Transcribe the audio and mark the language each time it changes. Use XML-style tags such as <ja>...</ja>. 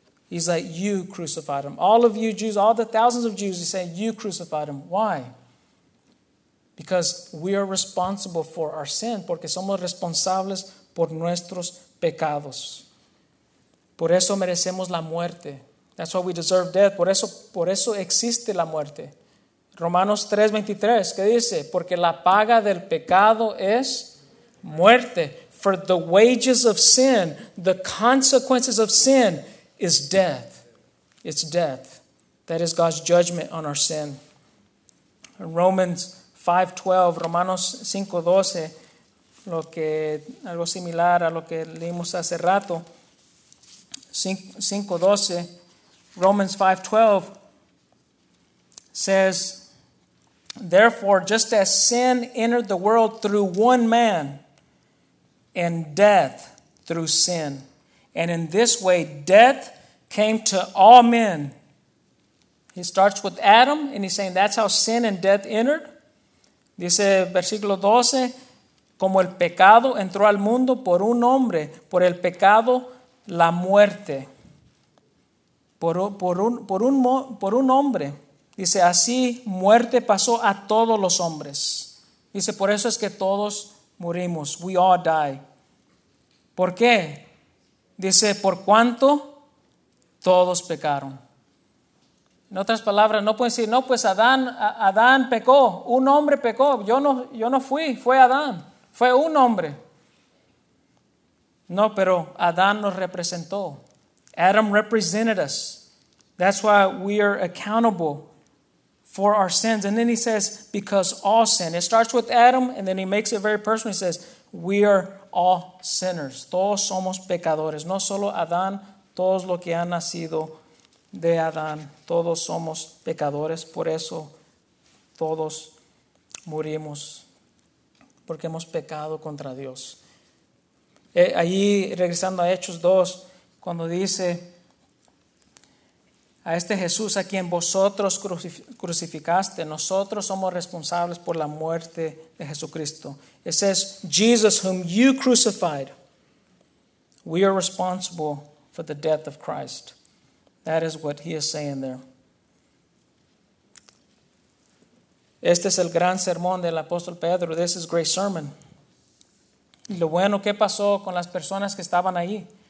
<en>He's like, you crucified him. All of you Jews, all the thousands of Jews, he's saying, you crucified him. Why? Because we are responsible for our sin.</en> <es>Porque somos responsables por nuestros pecados. Por eso merecemos la muerte.</es> <en>That's why we deserve death.</en> <es>Por eso existe la muerte. Romanos 3:23, ¿qué dice? Porque la paga del pecado es muerte.</es> <en>For the wages of sin, the consequences of sin, is death. It's death. That is God's judgment on our sin.</en> <es>Romans 5:12, Romanos 5:12, lo que algo similar a lo que leímos hace rato.</es> <en>5:12, Romans 5:12 says, therefore, just as sin entered the world through one man, and death through sin, and in this way death came to all men. He starts with Adam, and he's saying that's how sin and death entered.</en> <es>Dice versículo 12, como el pecado entró al mundo por un hombre, por el pecado la muerte. Por un hombre. Dice, así muerte pasó a todos los hombres. Dice, por eso es que todos morimos.</es> <en>We all die.</en> <es>¿Por qué? Dice, por cuanto todos pecaron. En otras palabras, no pueden decir, no, pues Adán pecó, un hombre pecó, yo no fui, fue Adán, fue un hombre. No, pero Adán nos representó.</es> <en>Adam represented us. That's why we are accountable for our sins. And then he says, because all sin. It starts with Adam, and then he makes it very personal. He says, we are all sinners.</en> <es>Todos somos pecadores. No solo Adán, todos los que han nacido de Adán. Todos somos pecadores. Por eso todos morimos. Porque hemos pecado contra Dios. Allí, regresando a Hechos 2, cuando dice a este Jesús a quien vosotros crucificaste, nosotros somos responsables por la muerte de Jesucristo.</es> <en>It says, Jesus whom you crucified, we are responsible for the death of Christ. That is what he is saying there.</en> <es>Este es el gran sermón del apóstol Pedro.</es> <en>This is a great sermon.</en> <es>Y lo bueno, ¿qué pasó con las personas que estaban ahí?</es>